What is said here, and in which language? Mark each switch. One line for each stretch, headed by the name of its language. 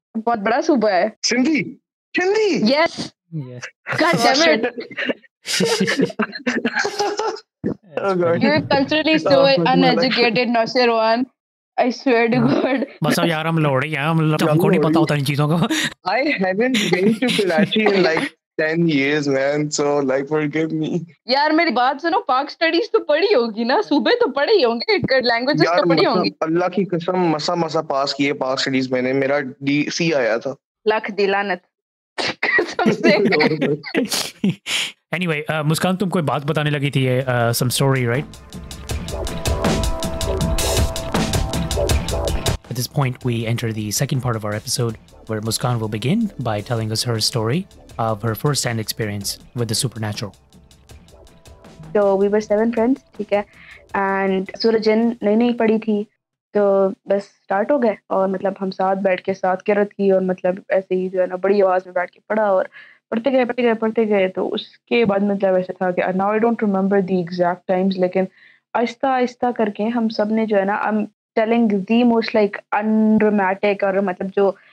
Hindi: बहुत बड़ा सूबा है Sindhi Sindhi
English: Yes god damn it you are culturally so uneducated Naushirwan I swear to God.
Hindi: बस अब यार हम लोड़े हैं हम लोग हमको नहीं पता होता इन चीजों को.
English: I haven't been to Karachi in like 10 years, man. So like forgive me.
Hindi: यार मेरी बात सुनो. Park studies तो पढ़ी होगी ना. सुबह तो पढ़े ही होंगे. Languages तो पढ़ी होंगी. अल्लाह की कसम मसा मसा पास किए Park studies मैंने. मेरा D C आया था. लाख दिलानत. कसम से. Anyway, मुस्कान तुम कोई बात बताने लगी थी
English: some story, right? At this point, we enter the second part of our episode, where Muskaan will begin by telling us her story of her first-hand experience with the supernatural. So we were seven friends,
Hindi: ठीक है, and सूरज जिन नई नई पढ़ी थी, तो बस start हो गए और मतलब हम साथ बैठ के साथ किरत की और मतलब ऐसे ही जो है ना बड़ी आवाज में बैठ के पढ़ा और पढ़ते गए पढ़ते गए पढ़ते गए तो उसके बाद मतलब ऐसे था कि
English: now I don't remember the exact times
Hindi: लेकिन आहिस्ता आहिस्ता करके हम सब ने जो है ना
English: telling the most like undramatic
Hindi: or matlab jo